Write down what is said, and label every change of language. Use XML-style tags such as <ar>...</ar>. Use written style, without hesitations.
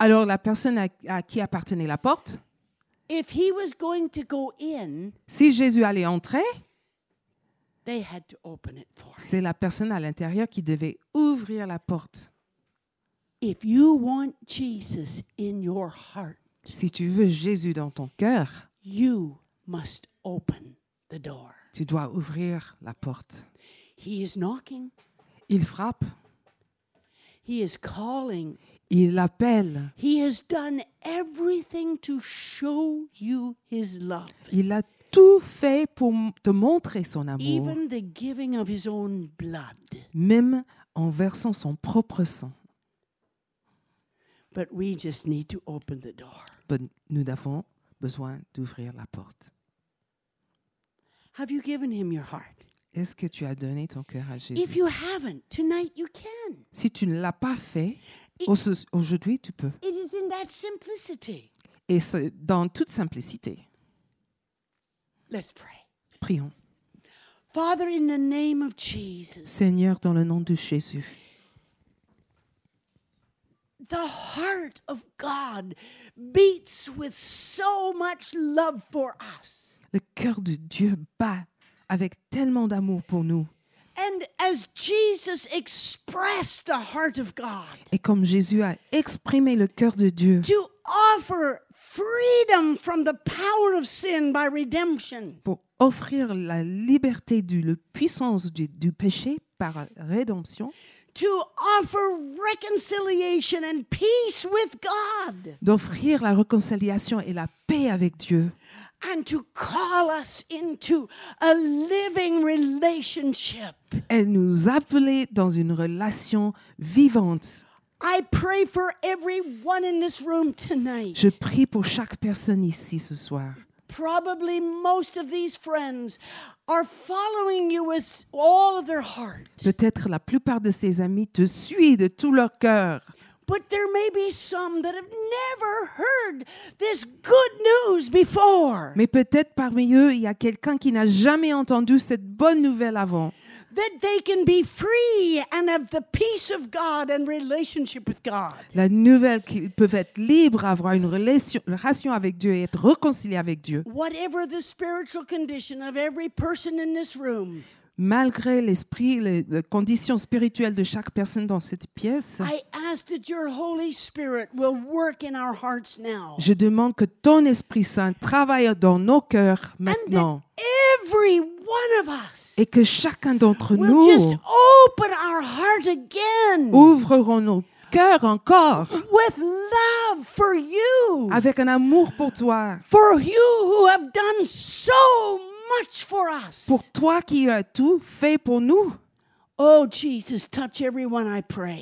<fr>Alors la personne à qui appartenait la porte?</fr> <en>If he was going to go in.</en> <fr>Si Jésus allait entrer?</fr> <en>They had to open it for.</en> <fr>C'est la personne à l'intérieur qui devait ouvrir la porte.</fr> <en>If you want Jesus in your heart.</en> <fr>Si tu veux Jésus dans ton cœur.</fr> <en>You must open the door.</en> <fr>Tu dois ouvrir la porte.</fr> <en>He is knocking.</en> <fr>Il frappe.</fr> <en>He is calling.</en> <fr>Il appelle.</fr> <en>He has done everything to show you his love.</en> <fr>Il a tout fait pour te montrer son amour.</fr> <en>Even the giving of his own blood.</en> <fr>Même en versant son propre sang.</fr> <en>But we just need to open the door. But</en> <fr>nous avons besoin d'ouvrir la porte.</fr> <en>Have you given him your heart?</en> <fr>Est-ce que tu as donné ton cœur à Jésus?</fr> <en>If you haven't, tonight you can.</en> <fr>Si tu ne l'as pas fait, aujourd'hui tu peux.</fr> <en>It is in that simplicity.</en> <fr>Et c'est dans toute simplicité.</fr> <en>Let's pray.</en> <fr>Prions.</fr> <en>Father, in the name of Jesus.</en> <fr>Seigneur, dans le nom de Jésus.</fr> <en>The heart of God beats with so much love for us.</en> <fr>Le cœur de Dieu bat avec tellement d'amour pour nous.</fr> <en>And as Jesus expressed the heart of God,</en> <fr>et comme Jésus a exprimé le cœur de Dieu,</fr> <en>to offer freedom from the power of sin by redemption,</en> <fr>pour offrir la liberté de la puissance du péché par rédemption,</fr> <en>to offer reconciliation and peace with God,</en> <fr>d'offrir la réconciliation et la paix avec Dieu,</fr> <en>and to call us into a living relationship.</en> <fr>Et nous appeler dans une relation vivante.</fr> <en>I pray for everyone in this room tonight.</en> <fr>Je prie pour chaque personne ici ce soir.</fr> <en>Probably most of these friends are following you with all of their heart.</en> <fr>Peut-être la plupart de ces amis te suivent de tout leur cœur.</fr> <en>But there may be some that have never heard this good news before.</en> <fr>Mais peut-être parmi eux, il y a quelqu'un qui n'a jamais entendu cette bonne nouvelle avant.</fr> <en>That they can be free and have the peace of God and relationship with God.</en> <fr>La nouvelle qu'ils peuvent être libres, avoir une relation avec Dieu et être réconciliés avec Dieu.</fr> <en>Whatever the spiritual condition of every person in this room.</en> <fr>Malgré l'esprit, les conditions spirituelles de chaque personne dans cette pièce,</fr> <en>I ask that your Holy Spirit will work in our hearts now.</en> <fr>Je demande que ton Esprit Saint travaille dans nos cœurs maintenant.</fr> <en>And that every one of us</en> <fr>et que chacun d'entre</fr> <en>will</en> <fr>nous</fr> <en>just open our heart again</en> <fr>ouvrirons nos cœurs encore</fr> <en>with love for you,</en> <fr>avec un amour pour toi.</fr> <en>For you who have done so much. Much for us.</en> <fr>Pour toi qui as tout fait pour nous.</fr> <en>Oh Jesus, touch everyone, I pray.</en>